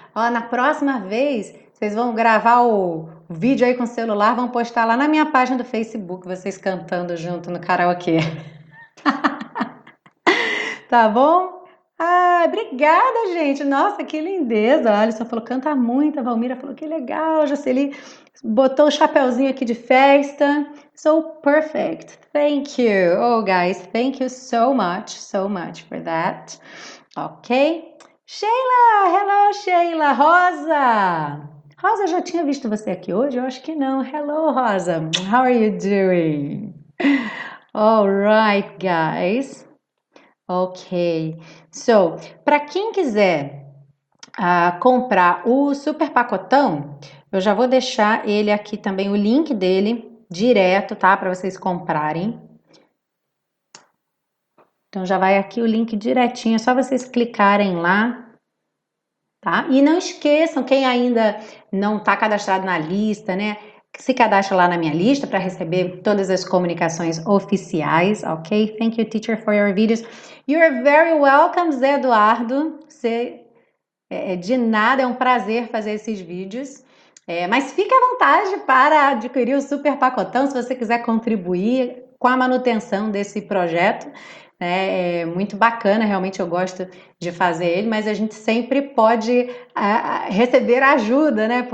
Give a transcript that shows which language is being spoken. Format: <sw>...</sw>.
<pt>Ó, na próxima vez, vocês vão gravar o vídeo aí com o celular, vão postar lá na minha página do Facebook, vocês cantando junto no karaokê. Tá bom? Ah, obrigada, gente. Nossa, que lindeza. A Alisson falou, canta muito. A Valmira falou, que legal. A Jocely botou o chapéuzinho aqui de festa.</pt> <en>So perfect. Thank you. Oh, guys, thank you so much for that. Ok. Sheila, hello, Sheila. Rosa.</en> <pt>Rosa, eu já tinha visto você aqui hoje? Eu acho que não.</pt> <en>Hello, Rosa. How are you doing? All right, guys.</en> <pt>Ok, so, para quem quiser comprar o super pacotão, eu já vou deixar ele aqui também, o link dele, direto, tá? Para vocês comprarem. Então, já vai aqui o link direitinho, é só vocês clicarem lá, tá? E não esqueçam, quem ainda não tá cadastrado na lista, né? Se cadastra lá na minha lista para receber todas as comunicações oficiais, ok?</pt> <en>Thank you, teacher, for your videos. You're very welcome, Zé Eduardo.</en> <pt>De nada, é um prazer fazer esses vídeos. É, mas fique à vontade para adquirir o super pacotão se você quiser contribuir com a manutenção desse projeto. É muito bacana, realmente eu gosto de fazer ele, mas a gente sempre pode receber ajuda, né?</pt>